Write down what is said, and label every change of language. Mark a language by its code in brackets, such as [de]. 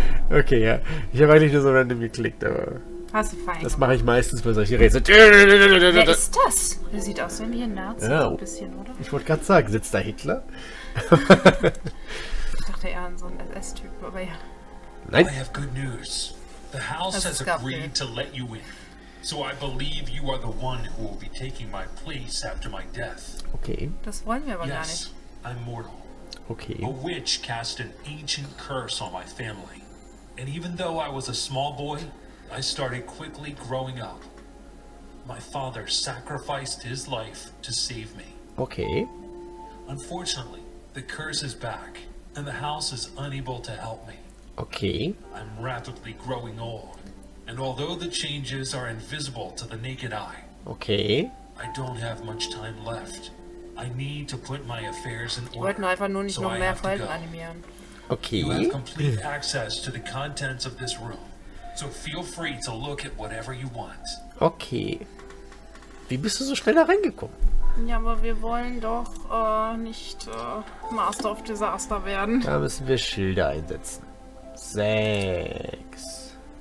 [de] Okay, ja. Ich habe eigentlich nur so random geklickt, aber. Hast du fein. Das mache ich meistens bei solchen Rätseln. Wer ist das? Der sieht aus wie ein Nazi, ja, ein bisschen, oder? Ich wollte gerade sagen, sitzt da Hitler? Ich dachte eher an so einen SS-Typ, aber ja. Nein. [en] I have good news. The house has agreed to let you in. So I believe you are the one who will be taking my place after my death. Okay. [de] Das wollen wir aber [en] yes, [de] gar nicht. [en] I'm mortal. Okay. A witch cast an ancient curse on my family. And even though I was a small boy, I started quickly growing up. My father sacrificed his life to save me. Okay. Unfortunately, the curse is back, and the house is unable to help me. Okay. I'm rapidly growing old, and although the changes are invisible to the naked eye, okay, I don't have much time left. I need to put my affairs in order. [de] Ich wollte einfach nur nicht so noch mehr Folgen animieren. Okay. [en] You have complete access to the contents of this room, so feel free to look at whatever you want. [de] Okay. Wie bist du so schnell da reingekommen? Ja, aber wir wollen doch nicht Master of Disaster werden. Da müssen wir Schilder einsetzen. 6.